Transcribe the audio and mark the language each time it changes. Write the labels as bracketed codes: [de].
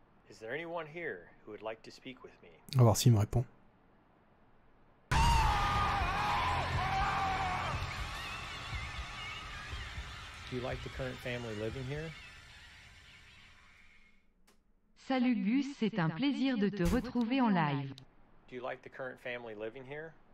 [en] Is there anyone here who would like to speak with me? [fr] On va voir s'il me répond. [en] Do you like the current family living here? [fr] Salut Gus, c'est un plaisir de te retrouver en live. [en] Do you like the current family living here?